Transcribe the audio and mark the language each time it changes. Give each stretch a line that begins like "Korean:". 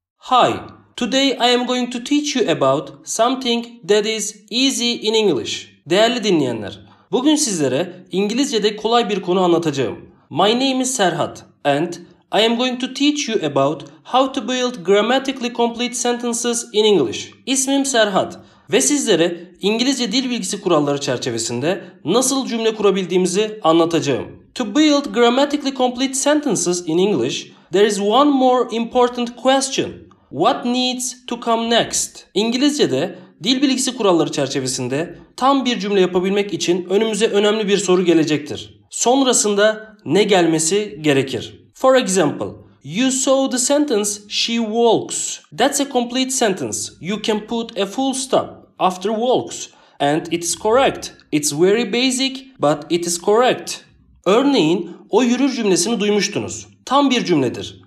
English: Hi, today I am going to teach you about something that is easy in English.
Turkish: Değerli dinleyenler, bugün sizlere İngilizce'de kolay bir konu anlatacağım.
English: My name is Serhat and I am going to teach you about how to build grammatically complete sentences in English.
Turkish: İsmim Serhat ve sizlere İngilizce dil bilgisi kuralları çerçevesinde nasıl cümle kurabildiğimizi anlatacağım.
English: To build grammatically complete sentences in English, there is one more important question. What needs to come next?
Turkish: İngilizce'de dil bilgisi kuralları çerçevesinde tam bir cümle yapabilmek için önümüze önemli bir soru gelecektir. Sonrasında ne gelmesi gerekir?
English: For example, you saw the sentence she walks. That's a complete sentence. You can put a full stop after walks and it is correct. It's very basic but it is correct.
Turkish: Örneğin o yürür cümlesini duymuştunuz. Tam bir cümledir.